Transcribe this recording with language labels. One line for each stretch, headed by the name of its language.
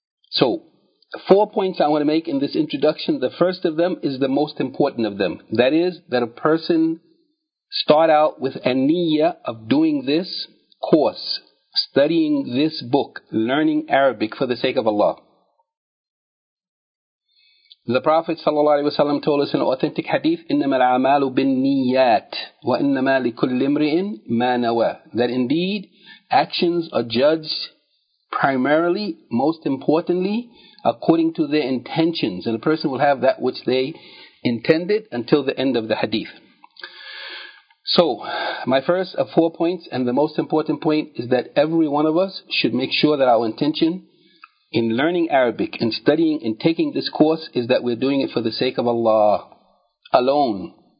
English: So, 4 points I want to make in this introduction. The first of them is the most important of them. That is, that a person start out with a niyyah of doing this course, studying this book, learning Arabic for the sake of Allah. The Prophet ﷺ told us in an authentic hadith,
Arabic: إِنَّمَا الْعَمَالُ بِالنِّيَّاتِ وَإِنَّمَا لِكُلِّ امْرِئٍ مَا نَوَى.
English: That indeed, actions are judged primarily, most importantly, according to their intentions. And a person will have that which they intended until the end of the hadith. So, my first of 4 points, and the most important point, is that every one of us should make sure that our intention in learning Arabic and studying and taking this course is that we're doing it for the sake of Allah alone.